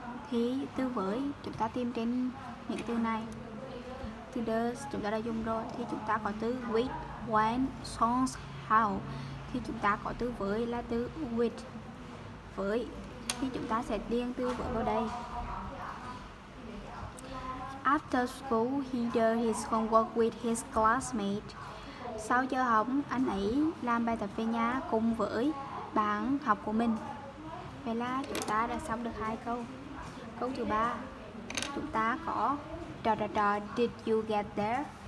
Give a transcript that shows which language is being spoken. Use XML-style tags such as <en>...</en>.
<vi>Thì từ với chúng ta tìm trên những từ này. Từ does chúng ta đã dùng rồi. Thì chúng ta có từ with, when, songs, how. Thì chúng ta có từ với là từ with. Với thì chúng ta sẽ điền từ với vào đây.</vi> <en>After school, he does his homework with his classmates.</en> <vi>Sau giờ học, anh ấy làm bài tập về nhà cùng với bạn học của mình. Vậy là chúng ta đã xong được hai câu. Câu thứ ba, chúng ta có dot dot dot.</vi> <en>Did you get there?</en>